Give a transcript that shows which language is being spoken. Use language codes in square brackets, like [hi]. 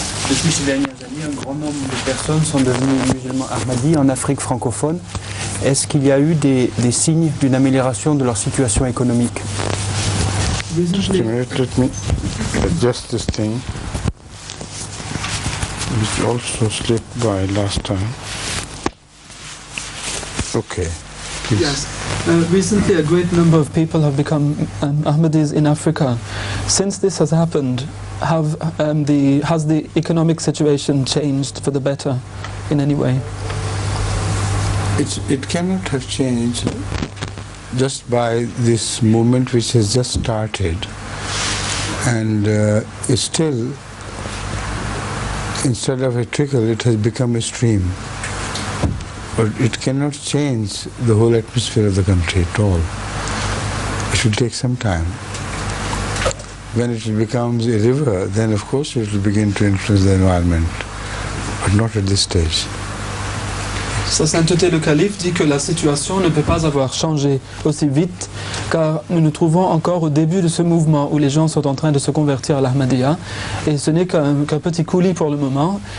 [fr] Depuis ces dernières années, un grand nombre de personnes sont devenues musulmans ahmadis en Afrique francophone. Est-ce qu'il y a eu des signes d'une amélioration de leur situation économique? [en] Just a minute, let me adjust this thing, which also slipped by last time. Okay. Yes. Recently, a great number of people have become Ahmadis in Africa. Since this has happened, has the economic situation changed for the better in any way? It cannot have changed just by this movement which has just started. And still, instead of a trickle, it has become a stream. But it cannot change the whole atmosphere of the country at all. It should take some time. When it becomes a river, then of course it will begin to influence the environment, but not at this stage. [fr] Sa Sainteté le Calife dit que la situation ne peut pas avoir changé aussi vite, car nous nous trouvons encore au début de ce mouvement où les gens sont en train de se convertir à l'Ahmadiyya, et ce n'est qu'un petit coulis pour le moment.